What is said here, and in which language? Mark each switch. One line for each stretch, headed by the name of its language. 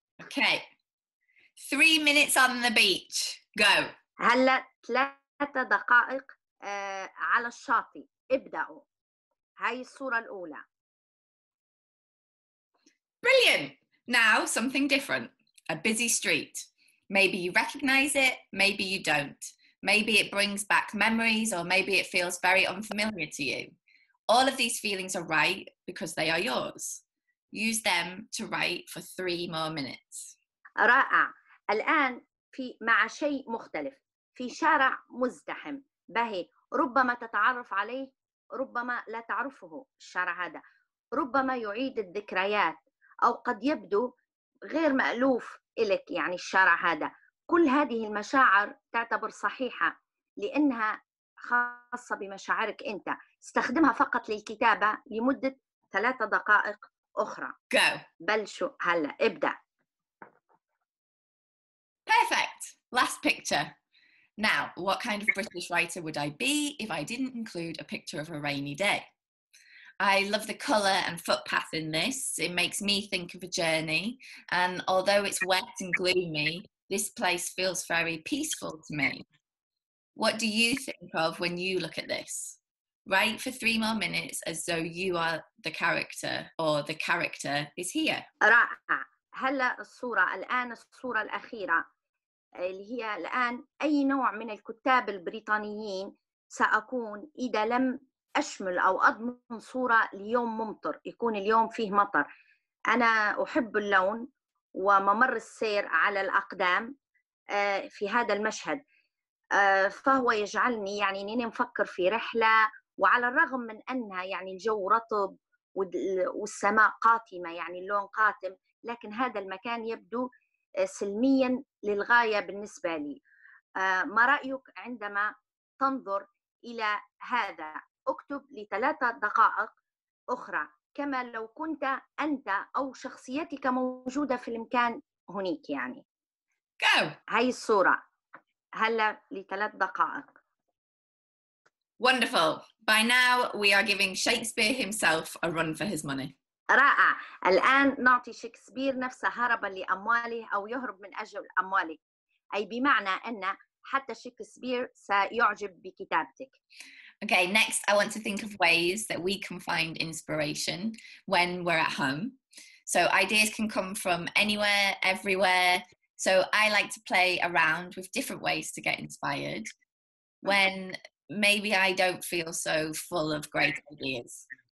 English: Okay 3 minutes on the beach Go
Arabic: هلأ 3 دقائق على الشاطئ ابدأوا هاي الصورة الأولى
English: Brilliant Now something different A busy street. Maybe you recognize it, maybe you don't. Maybe it brings back memories or maybe it feels very unfamiliar to you. All of these feelings are right because they are yours. Use them to write for 3 more minutes.
Arabic: رائع. الآن في مع شيء مختلف. في شارع مزدحم. به ربما تتعرف عليه ربما لا تعرفه الشارع هذا. ربما يعيد الذكريات أو قد يبدو غير مألوف إلك يعني الشارع هذا كل هذه المشاعر تعتبر صحيحة لأنها خاصة بمشاعرك أنت استخدمها فقط للكتابة لمدة 3 دقائق أخرى
English: Go
Arabic: بلشو هلأ ابدأ
English: Perfect Last picture Now what kind of British writer would I be if I didn't include a picture of a rainy day I love the colour and footpath in this. It makes me think of a journey. And although it's wet and gloomy, this place feels very peaceful to me. What do you think of when you look at this? Write for 3 more minutes as though you are the character or the character is here.
Arabic: رائع. هلا الصورة الآن الصورة الأخيرة اللي هي الآن أي نوع من الكتاب البريطانيين سأكون إذا لم أشمل أو أضمن صورة ليوم ممطر يكون اليوم فيه مطر. أنا أحب اللون وممر السير على الأقدام في هذا المشهد فهو يجعلني يعني أني نفكر في رحلة وعلى الرغم من أنها يعني الجو رطب والسماء قاتمة يعني اللون قاتم لكن هذا المكان يبدو سلميا للغاية بالنسبة لي ما رأيك عندما تنظر إلى هذا اكتب لثلاثة دقائق أخرى كما لو كنت أنت أو شخصيتك موجودة في المكان هنيك يعني
English: Go.
Arabic: هاي الصورة هلا لثلاث دقائق
English: Wonderful. By now we are giving Shakespeare himself a run for his money.
Arabic: رائع. الآن نعطي شكسبير نفسه هربا لأمواله أو يهرب من أجل أمواله. أي بمعنى أن حتى شكسبير سيعجب بكتابتك.
English: Okay, next I want to think of ways that we can find inspiration when we're at home. So ideas can come from anywhere, everywhere. So I like to play around with different ways to get inspired when maybe I don't feel so full of great ideas.